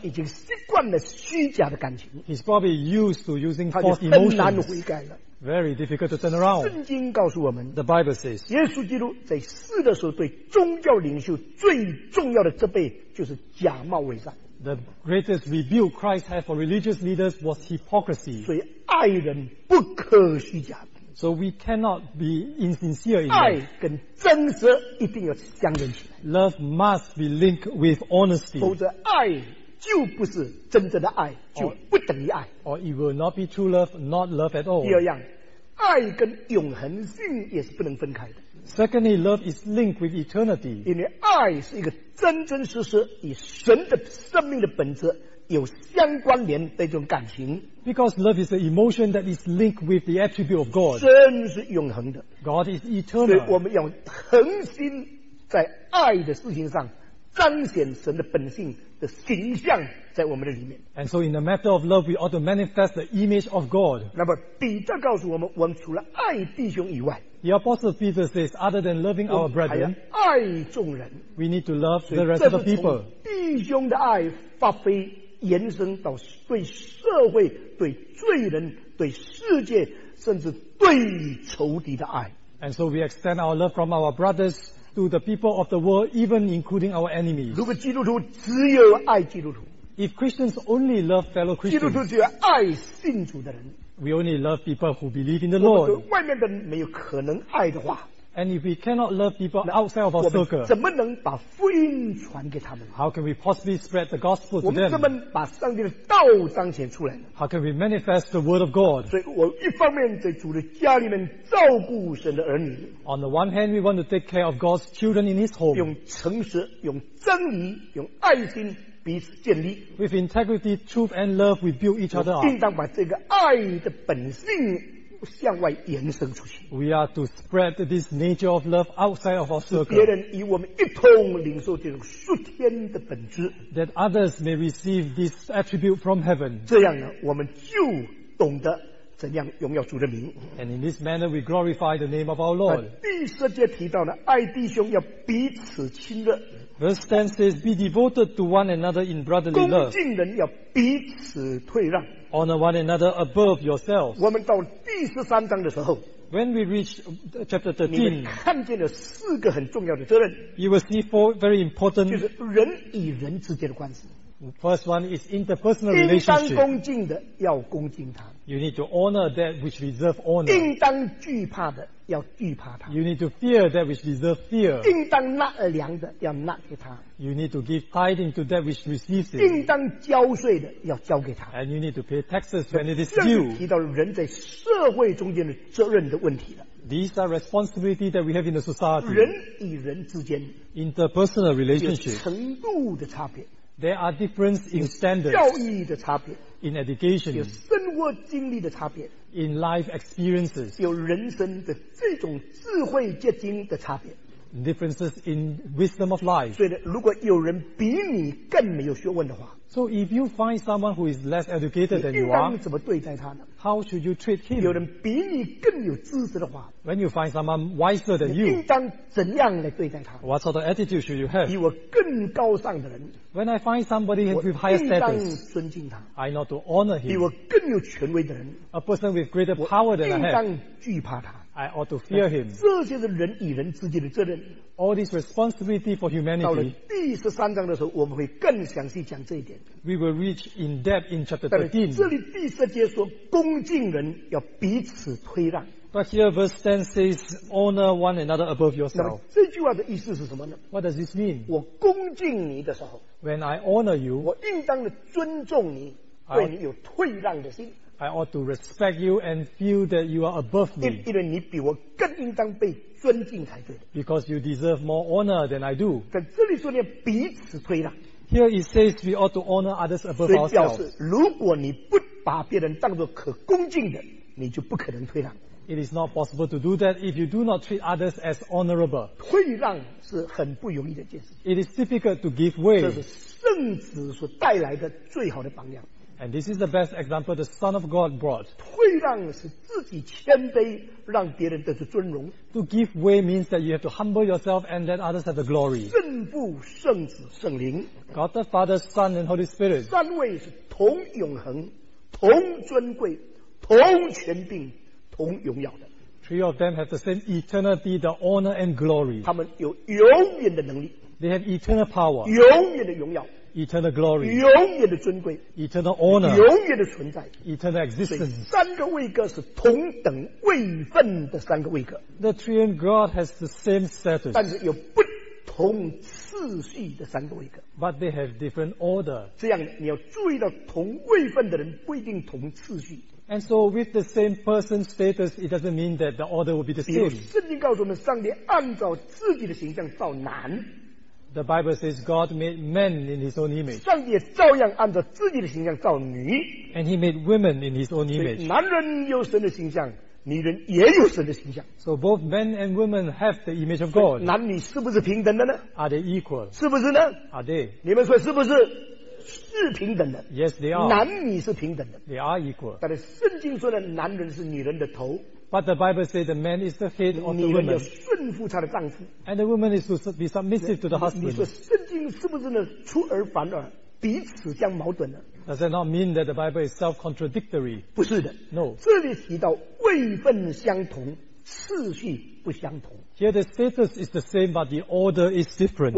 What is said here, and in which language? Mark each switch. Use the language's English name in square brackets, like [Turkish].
[Chinese] 已经习惯了虚假的感情。 [English] He's probably used to using false emotions. [Chinese] 他就很难悔改了。 [English] Very difficult to turn around. [Chinese] 圣经告诉我们， [English] The Bible says, [Chinese] 耶稣基督在世的时候对宗教领袖最重要的责备就是假冒伪善。 [English] The greatest rebuke Christ had for religious leaders was hypocrisy. [Chinese] 所以爱人不可虚假。 [English] So we cannot be insincere in [Chinese] love. 爱跟真实一定要相连起来。 [English] Love must be linked with honesty. [Chinese] 否则爱就不是真正的爱，就不等于爱。 [English] Or it will not be true love, not love at all. [Chinese] 第二样，爱跟永恒性也是不能分开的。 [English] Secondly, love is linked with eternity. [Chinese] 因为爱是一个真真实实与神的生命的本质有相关联的一种感情。 [English] Because love is an emotion that is linked with the attribute of God. [Chinese] 神是永恒的。 [English] God is eternal. [Chinese] 所以我们要恒心在爱的事情上彰显神的本性的形象在我们的里面。 [English] And so in the matter of love, we ought to manifest the image of God. [Chinese] 那么彼得告诉我们，我们除了爱弟兄以外， [English] The Apostle Peter says, other than loving our brethren, [Chinese] 爱众人， [English] we need to love the rest of the people. [Chinese] 弟兄的爱发挥延伸到对社会、对罪人、对世界，甚至对仇敌的爱。 [English] And so we extend our love from our brothers to the people of the world, even including our enemies. [Chinese] 如果基督徒只有爱基督徒， [English] if Christians only love fellow Christians, [Chinese] 基督徒只有爱信主的人， [English] we only love people who believe in the Lord. [Chinese] 如果外面的人没有可能爱的话， [English] and if we cannot love people outside of our circle, [Chinese] 怎么能把福音传给他们？ [English] How can we possibly spread the gospel to them? [Chinese] 我们怎么把上帝的道彰显出来？ [English] How can we manifest the word of God? [Chinese] 所以我一方面在主的家里面照顾神的儿女。 [English] On the one hand, we want to take care of God's children in his home. [Chinese] 用诚实，用真理，用爱心彼此建立。 [English] With integrity, truth and love, we build each other up. [Chinese] 应当把这个爱的本性向外延伸出去。 [English] We are to spread this nature of love outside of our circle. [Chinese] 别人与我们一同领受这种属天的本质。 [English] That others may receive this attribute from heaven. [Chinese] 这样呢，我们就懂得怎样荣耀主的名。 [English] And in this manner we glorify the name of our Lord. [Chinese] 第十节提到呢，爱弟兄要彼此亲热。 [English] Verse 10 says, be devoted to one another in brotherly love. [Chinese] 恭敬人要彼此退让。 [English] Honor one another above yourselves. [Chinese] 我们到第十三章的时候， [English] When we reach chapter 13, [Chinese] 你看见了四个很重要的责任。 [English] You will see four very important. [Chinese] 就是人与人之间的关系。 [English] The first one is interpersonal relationship. [Chinese] 应当恭敬的要恭敬他。 [English] You need to honor that which deserves honor. [Chinese] 应当惧怕的要惧怕他。 [English] You need to fear that which deserves fear. [Chinese] 应当纳而良的要纳给他。 [English] You need to give tithing to that which receives it. [Chinese] 应当交税的要交给他。 [English] And you need to pay taxes when it is due. [Chinese] 提到人在社会中间的责任的问题了。 [English] These are responsibilities that we have in the society. [Chinese] 人与人之间 [English] interpersonal relationship [Chinese] 有程度的差别。 [English] There are differences in standards, [Chinese] 教育的差别, [English] in education, [Chinese] 有生活经历的差别, [English] in life experiences, [Chinese] 有人生的这种智慧结晶的差别, [English] differences in wisdom of life. [Chinese] 所以呢, 如果有人比你更没有学问的话, [English] So if you find someone who is less educated than you are, [Chinese] 你应当怎么对待他呢? [English] How should you treat him? [Chinese] 有人比你更有知识的话, [English] When you find someone wiser than you, [Chinese] 你应当怎样来对待他? [English] What sort of attitude should you have? [Chinese] 比我更高尚的人, [English] When I find somebody with higher status, [Chinese] 我应当尊敬他, [English] I not to honor him. [Chinese] 比我更有权威的人, [English] A person with greater power than I have, [Chinese] 我应当惧怕他, [English] I ought to fear him. [Chinese] 这些是人与人之间的责任。 [English] All this responsibility for humanity. [Chinese] 到了第十三章的时候，我们会更详细讲这一点。 [English] We will reach in depth in chapter 13. [Chinese] 这里第十节说，恭敬人要彼此推让。 [English] But here verse 10 says, honor one another above yourself. [Chinese] 那么这句话的意思是什么呢？ [English] What does this mean? [Chinese] 我恭敬你的时候， [English] When I honor you, [Chinese] 我应当的尊重你，对你有退让的心。 [English] I ought to respect you and feel that you are above me. [Chinese] 因为你比我更应当被尊敬才对。 [English] Because you deserve more honor than I do. [Chinese] 在这里说你要彼此推让。 [English] Here it says we ought to honor others above ourselves. [Chinese] 所以表示，如果你不把别人当作可恭敬的，你就不可能推让。 [English] It is not possible to do that if you do not treat others as honorable. [Chinese] 退让是很不容易的件事。 [English] It is difficult to give way. [Chinese] 这是圣子所带来的最好的榜样。 [English] And this is the best example the Son of God brought. [Chinese] 退让是自己谦卑，让别人得着尊荣。 [English] To give way means that you have to humble yourself and let others have the glory. [Chinese] 圣父、圣子、圣灵。 [English] God the Father, Son, and Holy Spirit. [Chinese] 三位是同永恒、同尊贵、同权柄、同荣耀的。 [English] Three of them have the same eternity, the honor and glory. [Chinese] 他们有永远的能力。 [English] They have eternal power. [Chinese] 永远的荣耀。 [English] Eternal glory, [Chinese] 永远的尊贵 [English] ，eternal honor, [Chinese] 永远的存在 [English] ，eternal existence. [Chinese] 三个位格是同等位分的三个位格。 [English] The Triune God has the same status, [Chinese] 但是有不同次序的三个位格。 [English] But they have different order. [Chinese] 这样你要注意到，同位分的人不一定同次序。 [English] And so with the same person status, it doesn't mean that the order will be the same. [Chinese] 比如圣经告诉我们，上帝按照自己的形象造男。 [English] The Bible says God made men in His own image. [Chinese] 上帝也照样按照自己的形象造女。 [English] And He made women in His own image. [Chinese] 所以男人有神的形象，女人也有神的形象。 [English] So both men and women have the image of God. [Chinese] 男女是不是平等的呢？ [English] Are they equal? [Chinese] 是不是呢？ [English] Are they? [Chinese] 你们说是不是？是平等的。 [English] Yes, they are. [Chinese] 男女是平等的。 [English] They are equal. [Chinese] 但是圣经说的男人是女人的头。 [English] But the Bible says the man is the head of the woman. [Chinese] 女人要顺服她的丈夫。 [English] And the woman is to be submissive to the husband. [Chinese] 你说圣经是不是呢？出尔反尔，彼此相矛盾呢？ [English] Does that not mean that the Bible is self-contradictory? [Chinese] 不是的。 [English] No. [Chinese] 这里提到位分相同，次序不相同。 [English] Here the status is the same, but the order is different.